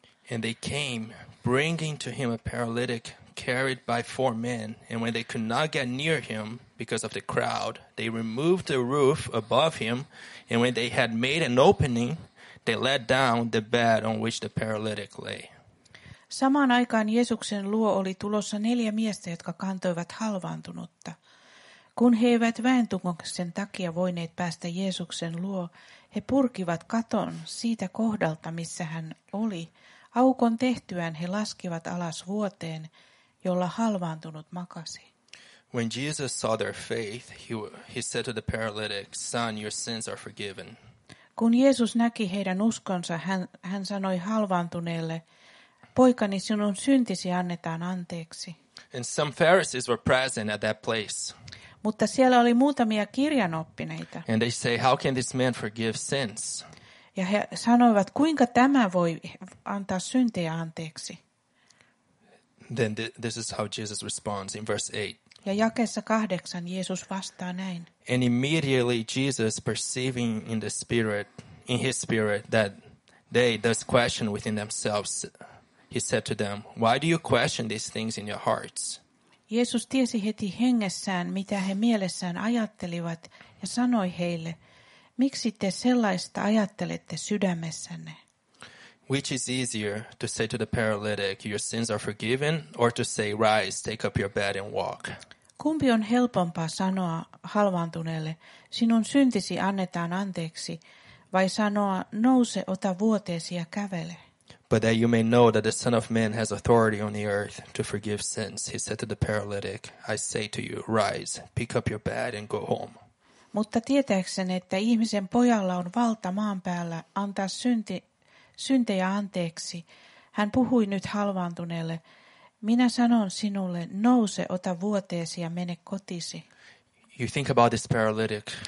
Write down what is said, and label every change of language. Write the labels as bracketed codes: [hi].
[en] And they came, bringing to him a paralytic, carried by four men. And when they could not get near him because of the crowd, they removed the roof above him. And when they had made an opening, they let down the bed on which the paralytic lay. [fi] Samaan aikaan Jeesuksen luo oli tulossa neljä miestä, jotka kantoivat halvaantunutta. Kun he eivät väentungoksen takia voineet päästä Jeesuksen luo, he purkivat katon siitä kohdalta, missä hän oli. Aukon tehtyään he laskivat alas vuoteen, jolla halvaantunut makasi. [en] When Jesus saw their faith, he said to the paralytic, "Son, your sins are forgiven." [fi] Kun Jeesus näki heidän uskonsa, hän sanoi halvaantuneelle, "Poikani, sinun syntisi annetaan anteeksi." [en] And some Pharisees were present at that place. [fi] Mutta siellä oli muutamia kirjanoppineita. [en] And they say, "How can this man forgive sins?" [fi] Ja he sanoivat, "Kuinka tämä voi antaa syntejä anteeksi?" [en] Then this is how Jesus responds in verse 8. [fi] Ja jakeessa 8 Jeesus vastaa näin. [en] And immediately Jesus perceiving in the spirit in his spirit that they thus question within themselves. He said to them, "Why do you question these things in your hearts?" [fi] Jeesus tiesi heti hengessään, mitä he mielessään ajattelivat, ja sanoi heille, "Miksi te sellaista ajattelette sydämessänne?" [en] Which is easier, to say to the paralytic, "Your sins are forgiven," or to say, "Rise, take up your bed and walk"? [fi] Kumpi on helpompaa sanoa halvaantuneelle, "Sinun syntisi annetaan anteeksi," vai sanoa, "Nouse, ota vuoteesi ja kävele"? [en] But that you may know that the Son of Man has authority on the earth to forgive sins, he said to the paralytic, "I say to you, rise, pick up your bed and go home." [fi] Mutta tietääksen, että ihmisen pojalla on valta maan päällä antaa syntejä anteeksi, hän puhui nyt halvaantuneelle, "Minä sanon sinulle, nouse, ota vuoteesi ja mene kotisi." [en] You think about this paralytic.